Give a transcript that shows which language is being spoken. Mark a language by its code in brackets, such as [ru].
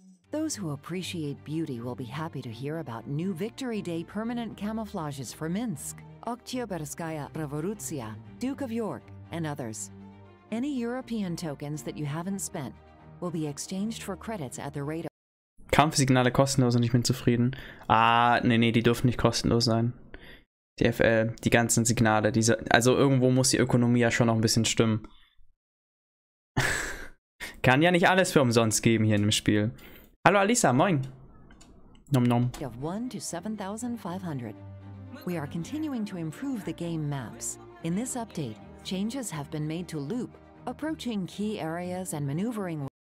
[en] Those who appreciate beauty will be happy to hear about new Victory Day permanent camouflages for Minsk, Oktyabrskaya Revolutsiya, Duke of York, and others. Any European tokens that you haven't spent will be exchanged for credits at the rate of. [de] Kampfsignale kostenlos und ich bin zufrieden. Ah, nee, die dürfen nicht kostenlos sein. Die FL, die ganzen Signale, diese. Also irgendwo muss die Ökonomie ja schon noch ein bisschen stimmen. Kann ja nicht alles für umsonst geben hier in dem Spiel. Hallo Alisa, moin. Nom nom. [en] Of 1 to 7,500. We are continuing to improve the game maps. In this update, changes have been made to loop, approaching key areas and maneuvering.